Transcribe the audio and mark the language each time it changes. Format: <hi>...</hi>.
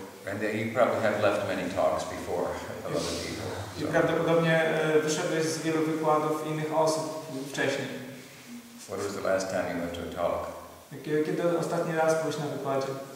<en>And then you probably have left many talks before of other people. So.</en> <pl>Prawdopodobnie wyszedłeś z wielu wykładów innych osób wcześniej.</pl> <en>What was the last time you went to a talk?</en> <pl>Kiedy ostatni raz byłeś na wykładzie?</pl>